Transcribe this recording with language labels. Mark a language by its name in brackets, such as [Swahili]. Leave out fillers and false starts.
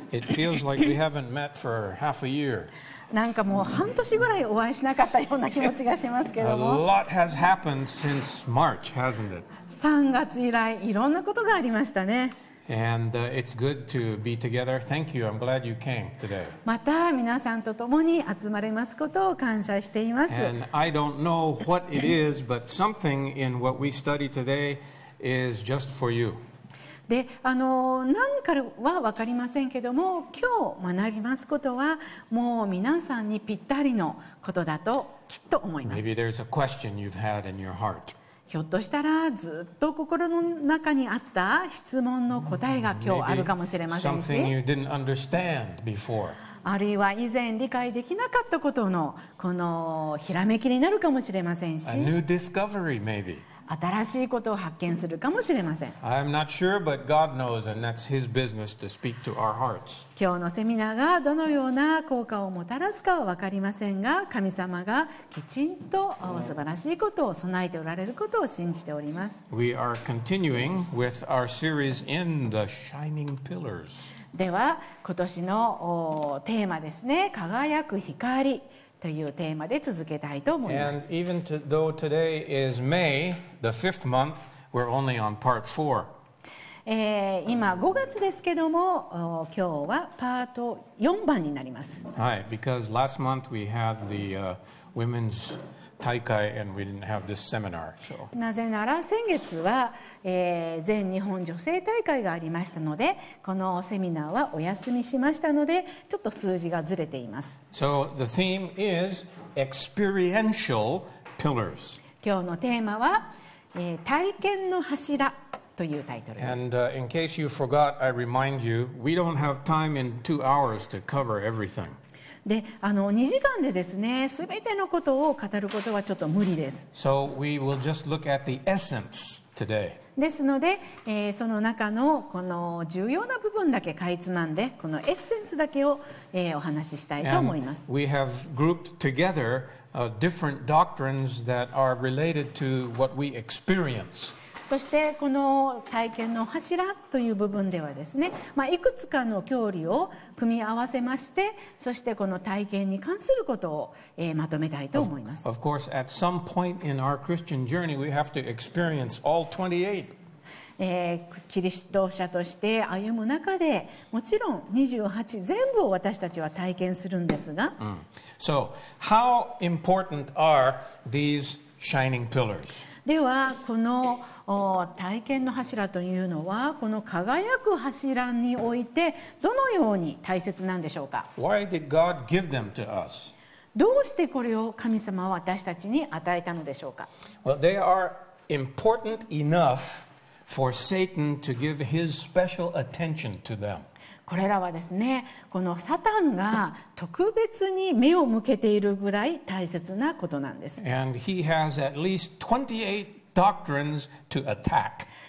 [English] It feels like we haven't met for half a year. [Japanese] なんかもう半年ぐらいお会いしなかったような気持ちがしますけども。 [English] A lot has happened since March, hasn't it? [Japanese] 3月以来いろんなことがありましたね。 [English] And it's good to be together. Thank you. I'm glad you came today. [Japanese] また皆さんと共に集まれますことを感謝しています。 [English] And I don't know what it is, but something in what we study today is just for you. [Japanese] で、何かは分かりませんけども、今日学びますことはもう皆さんにぴったりのことだときっと思います。 [English] Maybe there's a question you've had in your heart. [Japanese] ひょっとしたらずっと心の中にあった質問の答えが今日あるかもしれませんし、 [English] Maybe something you didn't understand before. [Japanese] あるいは以前理解できなかったことのこのひらめきになるかもしれませんし、 [English] A new discovery maybe. [Japanese] 新しいことを発見するかもしれません。 [English] I'm not sure, but God knows, and that's His business to speak to our hearts. [Japanese] 今日のセミナーがどのような効果をもたらすかは分かりませんが、神様がきちんと素晴らしいことを備えておられることを信じております。 [English] We are continuing with our series in the Shining Pillars. [Japanese] では、今年のテーマですね、輝く光。というテーマで続けたいと思います。 [English] And even though today is May, the fifth month, we're only on part four. [Japanese] 今5月ですけども、今日はパート4番になります。 [English] はい、because last month we had the women's 大会 and we didn't have this seminar. So. [Japanese] なぜなら先月は、全日本女性大会がありましたので、このセミナーはお休みしましたので、ちょっと数字がずれています。 [English] So the theme is experiential pillars. [Japanese] 今日のテーマは、体験の柱というタイトルです。 [English] And in case you forgot, I remind you, we don't have time in 2 hours to cover everything. [Japanese] で、2時間でですね、すべてのことを語ることはちょっと無理です。 [English] So we will just look at the essence today. [Japanese] ですので、その中のこの重要な部分だけかいつまんで、このエッセンスだけを、お話ししたいと思います。 [English] And、we have grouped together, different doctrines that are related to what we experience. [Japanese] そしてこの体験の柱という部分ではですね、まあ、いくつかの教理を組み合わせまして、そしてこの体験に関することを、まとめたいと思います。 [English] Of course, at some point in our Christian journey, we have to experience all 28. [Japanese] キリスト者として歩む中でもちろん28全部を私たちは体験するんですが、 mm. [English] So, how important are these shining pillars? [Japanese] ではこの体験の柱というのはこの輝く柱においてどのように大切なんでしょうか。 Why did God give them to us? どうしてこれを神様は私たちに与えたのでしょうか。 [English] Well, they are important enough for Satan to give his special attention to them. [Japanese] これらはですね、このサタンが特別に目を向けているぐらい大切なことなんです。 [English] And he has at least 28Doctrines to attack.